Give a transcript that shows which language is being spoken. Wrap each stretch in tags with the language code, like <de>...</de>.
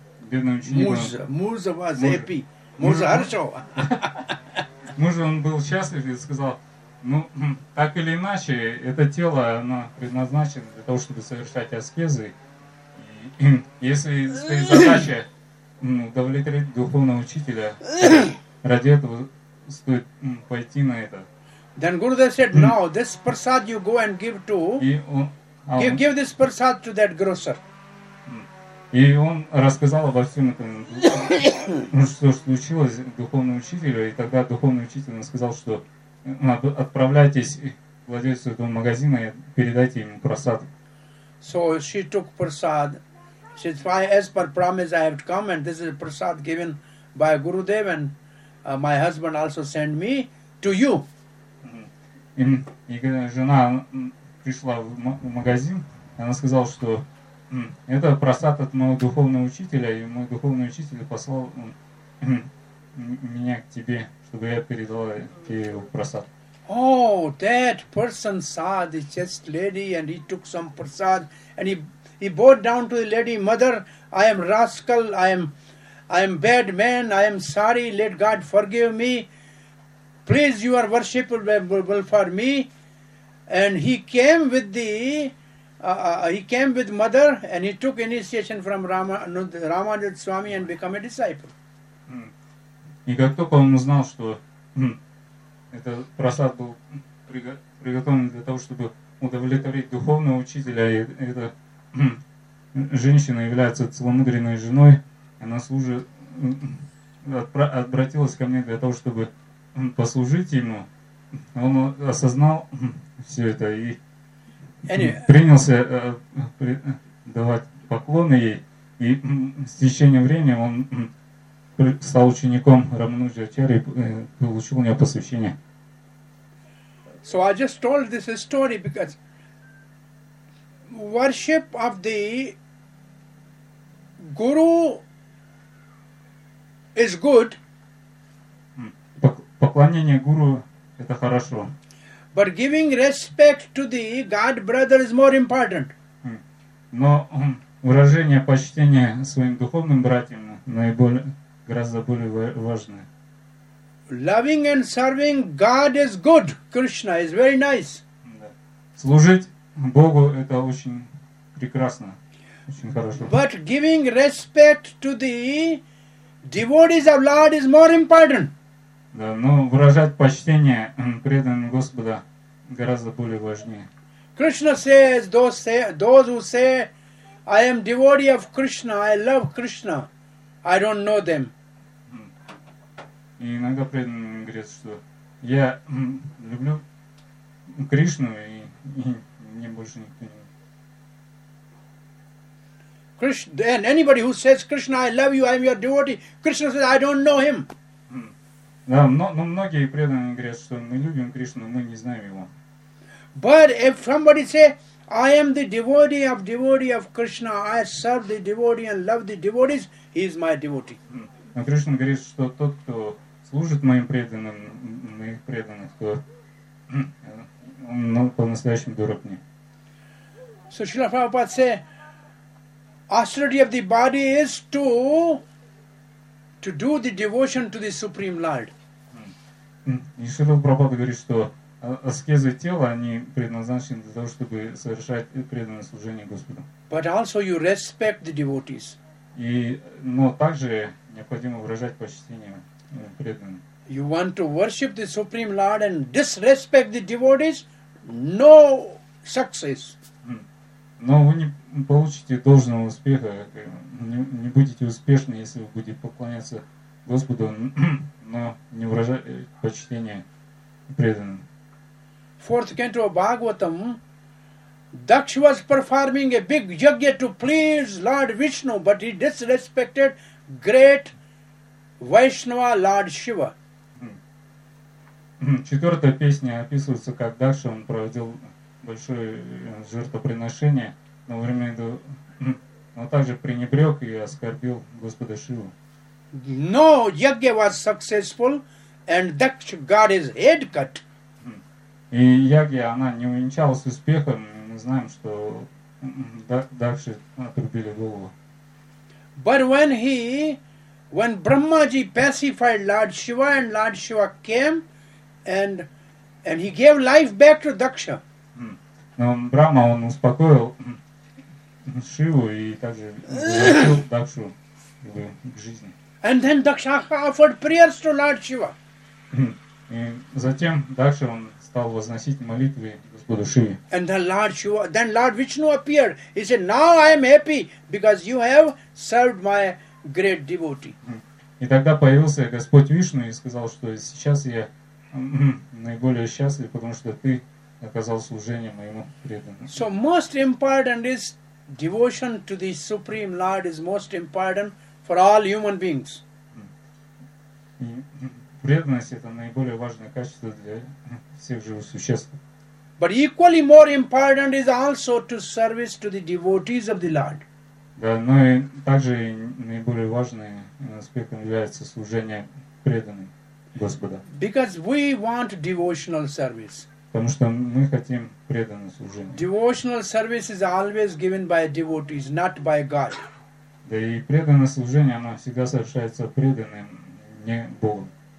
<en>Муза was happy.</en> <ru>Муза хорошо. Муза, он был счастлив и сказал, ну, так или иначе, это тело, оно предназначено для того, чтобы совершать аскезы. Если стоит задача удовлетворить духовного учителя, ради этого стоит пойти на это.</ru> <en>Then Gurudev said, now this prasad you go and give to, give this prasad to that grocer.</en> <ru>И он рассказал обо всем этом, что случилось духовному учителю, и тогда духовный учитель сказал, что отправляйтесь к владельцу этого магазина и передайте ему прасад.</ru> <en>So she took prasad. She said, as per promise, I have come, and this is a prasad given by Gurudev, and my husband also sent me to you.</en> <ru>И когда жена пришла в магазин, она сказала, что это прасад от моего духовного учителя, и мой духовный учитель послал меня к тебе, чтобы я передала тебе его прасад.</ru> <en>Oh, that person saw the chest lady, and he took some prasad, and he bowed down to the lady, mother, I am rascal, I am bad man, I am sorry, let God forgive me. Please, you are worshipable for me. And he came with the, mother, and he took initiation from Ramananda Swami and became a disciple.</en> <ru>И как только он узнал, что Этот просад был приготовлен для того, чтобы удовлетворить духовного учителя. И эта женщина является целомудренной женой. Она служит, обратилась ко мне для того, чтобы послужить ему. Он осознал все это и принялся давать поклоны ей. И с течением времени он стал учеником Рамануджа Ачарьи и получил у него посвящение.</ru> <en>So I just told this story because worship of the guru is good.</en> <ru>Поклонение гуру это хорошо.</ru> <en>But giving respect to the god brother is more important.</en> <ru>Но выражение почтения своим духовным братьям наиболее гораздо более важное.</ru> <en>Loving and serving God is good. Krishna is very nice.</en> <ru>Служить Богу это очень прекрасно, очень хорошо.</ru> <en>But giving respect to the devotees of Lord is more important.</en> <ru>Да, но выражать почтение преданным Господа гораздо более важнее.</ru> <en>Krishna says, those who say, I am devotee of Krishna, I love Krishna, I don't know them.</en> <ru>И иногда преданный говорит, что я люблю Кришну, и мне больше никто не любит.</ru> <en>And anybody who says, Krishna, I love you, I am your devotee, Krishna says, I don't know him.</en> <ru>Да, но многие преданные говорят, что мы любим Кришну, мы не знаем его.</ru> <en>But if somebody say, I am the devotee of Krishna, I serve the devotee and love the devotees, he is my devotee.</en> <ru>Но Кришна говорит, что тот, кто служит моим преданным, моих преданных, то он по-настоящему дорог мне.</ru> <en>So Srila Prabhupada say, austerity of the body is to do the devotion to the Supreme Lord.</en> <ru>И Шрила Прабхупада говорит, что аскезы тела, они предназначены для того, чтобы совершать преданное служение Господу.</ru> <en>But also you respect the devotees.</en> <ru>И, но также необходимо выражать почтение преданным.</ru> <en>You want to worship the Supreme Lord and disrespect the devotees? No success.</en> <ru>Но вы не получите должного успеха, не будете успешны, если вы будете поклоняться Господу, но не выражать почтение преданным.</ru> <en>Fourth canto of Bhagavatam, Daksha was performing a big yajna to please Lord Vishnu, but he disrespected great Vaishnava Lord Shiva.</en> <ru>Четвертая песня описывается, как Дакша он проводил большое жертвоприношение, но временно он также пренебрег и оскорбил Господа Шиву.</ru> <en>No yajna was successful, and Daksha got his head cut.</en> <ru>И Ягья, она не увенчалась успехом, и мы знаем, что Дакши отрубили голову.</ru> <en>But when Brahmaji pacified Lord Shiva, and Lord Shiva came, and he gave life back to Daksha.</en> <ru>Но Брахма, он успокоил Шиву и также возвратил Дакшу к жизни.</ru> <en>And then Daksha offered prayers to Lord Shiva.</en> <ru>И затем Дакша, он стал возносить молитвы Господу Шиве.</ru> <en>And then Lord Vishnu appeared. He said, "Now I am happy because you have served my great devotee."</en> <ru>И тогда появился Господь Вишну и сказал, что сейчас я наиболее счастлив, потому что ты оказал служение моему преданному.</ru> <en>So most important is devotion to the Supreme Lord is most important for all human beings.</en> <ru>Преданность это наиболее важное качество для всех живых существ.</ru> <en>But equally more important is also to service to the devotees of the Lord.</en> <ru>Да, но и также наиболее важным аспектом является служение преданным Господа.</ru> <en>Because we want devotional service.</en> <ru>Потому что мы хотим преданное служение.</ru> <en>Devotional service is always given by devotees, not by God.</en> <ru>Да и преданное служение оно всегда совершается преданным, не Богом.</ru>